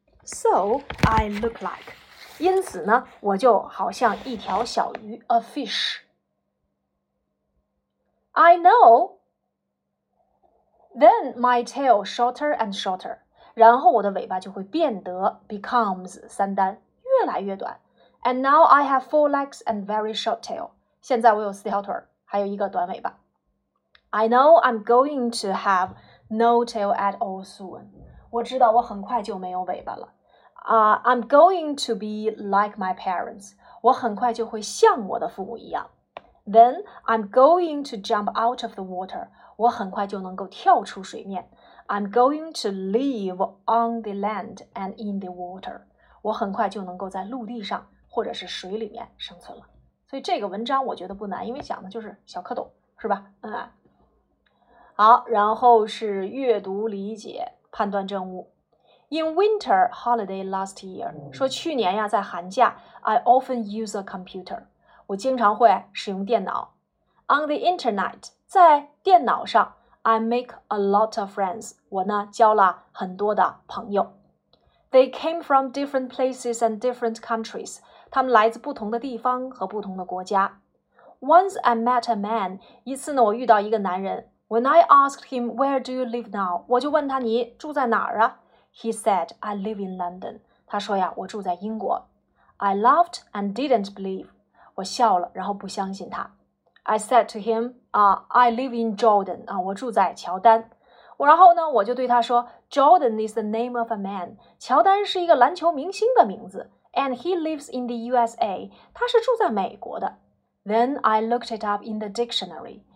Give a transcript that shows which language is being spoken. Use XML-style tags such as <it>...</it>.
<en>So I look like,</en> <zh>因此呢我就好像一条小鱼 ,</zh> <en>a fish. I know, then my tail shorter and shorter,</en> <zh>然后我的尾巴就会变得</zh> <en>becomes</en> <zh>三单越来越短。</zh> <en>And now I have four legs and very short tail,</en> <zh>现在我有四条腿儿，还有一个短尾巴。</zh> <en>I know I'm going to have no tail at all soon.</en> <zh>我知道我很快就没有尾巴了。</zh> <en>I'm going to be like my parents.</en> <zh>我很快就会像我的父母一样。</zh> <en>Then I'm going to jump out of the water.</en> <zh>我很快就能够跳出水面。</zh> <en>I'm going to live on the land and in the water.</en> <zh>我很快就能够在陆地上或者是水里面生存了。所以这个文章我觉得不难，因为讲的就是小蝌蚪，是吧？好，然后是阅读理解判断证物。</zh> <en>In winter holiday last year,</en> <zh>说去年呀在寒假</zh> <en>,I often use a computer.</en> <zh>我经常会使用电脑。</zh> <en>On the internet,</en> <zh>在电脑上 ,</zh> <en>I make a lot of friends.</en> <zh>我呢交了很多的朋友。</zh> <en>They came from different places and different countries.</en> <zh>他们来自不同的地方和不同的国家。</zh> <en>Once I met a man,</en> <zh>一次呢我遇到一个男人。</zh> <en>When I asked him, where do you live now?</en> <zh>我就问他你住在哪儿啊?</zh> <en>He said, I live in London.</en> <zh>他说呀我住在英国。</zh> <en>I laughed and didn't believe.</en> <zh>我笑了然后不相信他。</zh> <en>I said to him, I live in Jordan.</en> <zh>我住在乔丹。然后呢我就对他说</zh> <en>Jordan is the name of a man.</en> <zh>乔丹是一个篮球明星的名字。</zh> <en>And he lives in the USA.</en> <zh>他是住在美国的。</zh> <en>Then I looked it up in the dictionary.</en>